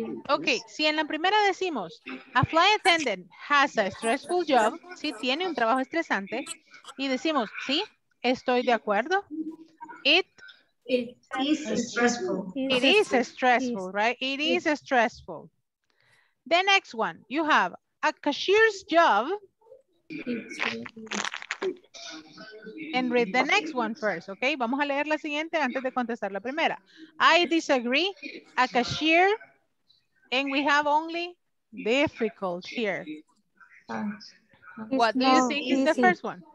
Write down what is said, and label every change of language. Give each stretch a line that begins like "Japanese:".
Spanish: Okay, si en la primera decimos,
English: a flight attendant has a stressful job,
Spanish: si tiene un trabajo estresante, y decimos, sí, estoy de acuerdo.
English: It is stressful, right? The next one, you have a cashier's job. And read the next one first, okay?
Spanish: Vamos a leer la siguiente antes de contestar la primera.
English: I disagree, a cashier, and we have only difficult here. What do you think is the first one?